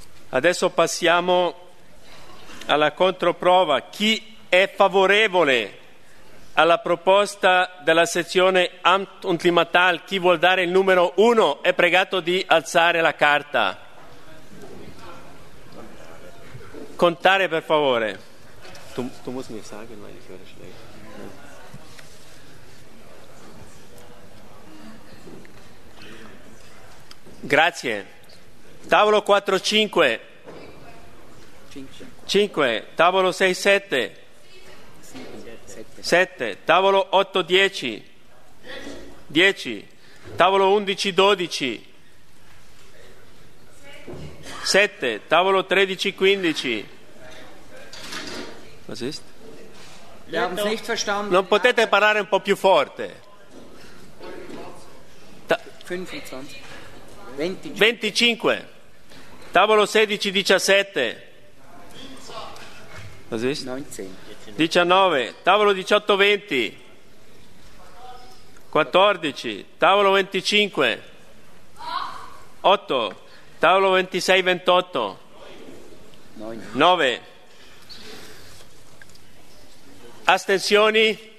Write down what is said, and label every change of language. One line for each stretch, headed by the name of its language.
Italian: Adesso passiamo alla controprova. Chi è favorevole alla proposta della sezione Amt und Klimatal, chi vuol dare il numero 1 è pregato di alzare la carta. Contare per favore.
German: Tu musst mir sagen, weil ich höre schlecht.
Italian: Grazie. Tavolo 4, 5. 5. Tavolo 6, 7. 7, tavolo 8, 10, 10, tavolo 11, 12, 7, tavolo 13, 15.
German: Was ist? Wir haben's nicht verstanden.
Italian: Non potete parlare un po' più forte. 25, tavolo 16, 17.
German: Was ist?
Italian: 19 tavolo 18 20 14 tavolo 25 8 tavolo 26 28 9 astensioni